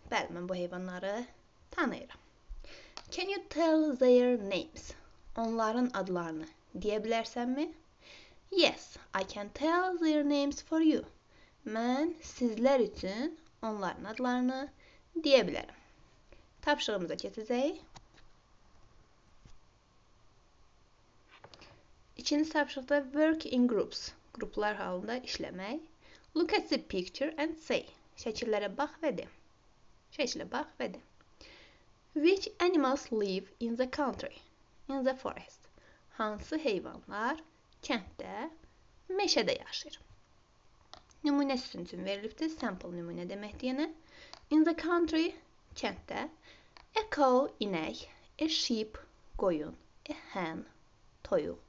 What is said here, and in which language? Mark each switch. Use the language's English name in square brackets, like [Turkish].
[Azerbaijani] Bəli, mən bu heyvanları tanıyıram. [English] Can you tell their names? [Azerbaijani] Onların adlarını deyə bilərsən mi? [English] Yes, I can tell their names for you. [Azerbaijani] Mən sizlər üçün onların adlarını deyə bilərim. Tapşırığımıza keçəcək. İkinci tapşırıqda [English] work in groups. [Azerbaijani] Qruplar halında işləmək. [English] Look at the picture and say. [Azerbaijani] Şəkillərə bax və de. Şəkillə bax və de. [English] Which animals live in the country? In the forest. [Azerbaijani] Hansı heyvanlar kənddə, meşədə yaşayır? Nümunə sizin üçün verilibdir. Sample nümunə deməkdir yenə. [English] In the country, [Azerbaijani] kənddə. [English] A cow, [Azerbaijani] inək. [English] A sheep, [Azerbaijani] qoyun. [English] A hen, [Azerbaijani] toyuq.